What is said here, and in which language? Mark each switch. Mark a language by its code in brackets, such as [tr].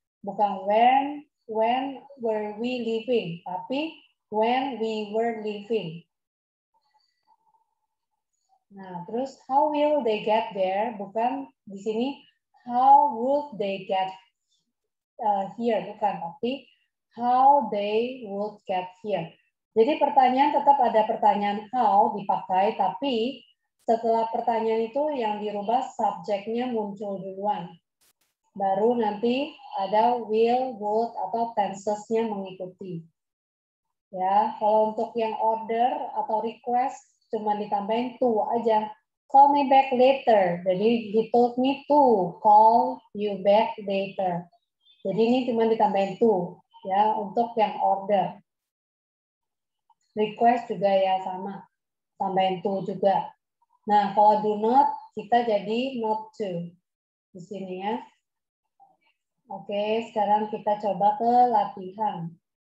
[en] Bukan when were we living, tapi when we were living. [id] Nah, terus [en] how will they get there? [id] Bukan di sini, [en] how would they get here? [id] Bukan, tapi [en] how they would get here. [id] Jadi pertanyaan tetap ada pertanyaan how dipakai, tapi setelah pertanyaan itu yang dirubah subjeknya muncul duluan. Baru nanti ada will, would, atau tenses-nya mengikuti. Ya, kalau untuk yang order atau request, cuma ditambahin to aja. [en] Call me back later. Jadi, he told me to call you back later. [id] Jadi, ini cuma ditambahin to. Ya, untuk yang order. Request juga ya sama. Tambahin to juga. Nah, kalau do not, kita jadi not to. Di sini ya. Oke, sekarang kita coba ke latihan.